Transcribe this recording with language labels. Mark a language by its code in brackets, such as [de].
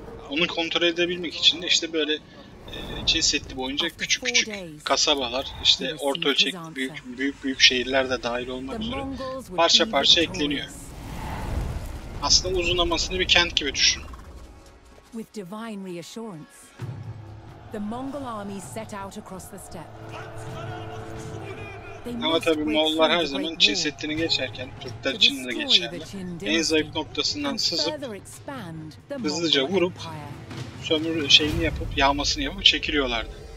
[tr] Onu kontrol edebilmek için de işte böyle Çin Seddi boyunca küçük küçük kasabalar, işte orta ölçek büyük büyük büyük şehirler de dahil olmak üzere parça parça ekleniyor. Aslında uzunlamasını bir kent gibi düşün. [en] With divine reassurance, the Mongol army set out across the steppe. [tr] Ama tabi Moğollar her zaman Çin Seddi'ni geçerken, Türkler için de geçerli, en zayıf noktasından sızıp, hızlıca vurup, sömür şeyini yapıp, yağmasını yapıp çekiliyorlardı.